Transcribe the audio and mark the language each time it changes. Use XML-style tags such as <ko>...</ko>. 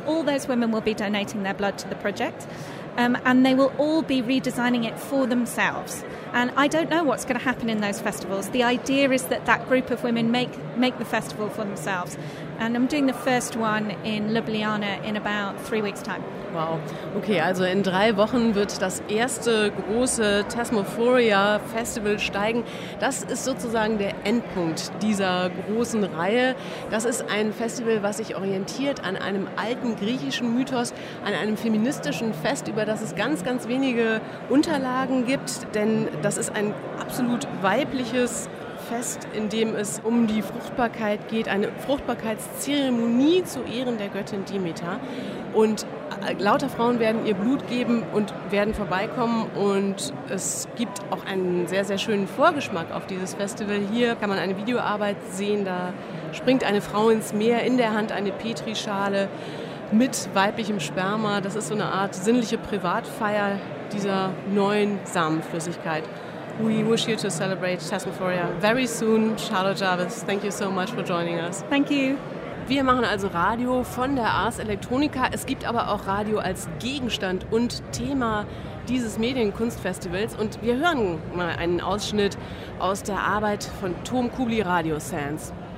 <en>All those women will be donating their blood to the project. And they will all be redesigning it for themselves. And I don't know what's going to happen in those festivals. The idea is that that group of women make the festival for themselves. And I'm doing the first one in Ljubljana in about 3 weeks' time. Wow.</en> <de>Okay, also in 3 Wochen wird das erste große Thesmophoria-Festival steigen. Das ist sozusagen der Endpunkt dieser großen Reihe. Das ist ein Festival, was sich orientiert an einem alten griechischen Mythos, an einem feministischen Fest, über das es ganz, ganz wenige Unterlagen gibt. Denn das ist ein absolut weibliches Fest, in dem es um die Fruchtbarkeit geht, eine Fruchtbarkeitszeremonie zu Ehren der Göttin Demeter. Und lauter Frauen werden ihr Blut geben und werden vorbeikommen. Und es gibt auch einen sehr, sehr schönen Vorgeschmack auf dieses Festival. Hier kann man eine Videoarbeit sehen, da springt eine Frau ins Meer, in der Hand eine Petrischale mit weiblichem Sperma. Das ist so eine Art sinnliche Privatfeier dieser neuen Samenflüssigkeit.</de> <en>We wish you to celebrate Thesmophoria very soon. Charlotte Jarvis, thank you so much for joining us. Thank you.</en> <de>Wir machen also Radio von der Ars Electronica. Es gibt aber auch Radio als Gegenstand und Thema dieses Medienkunstfestivals. Und wir hören mal einen Ausschnitt aus der Arbeit von Tom Kubli, Radio Sans.</de>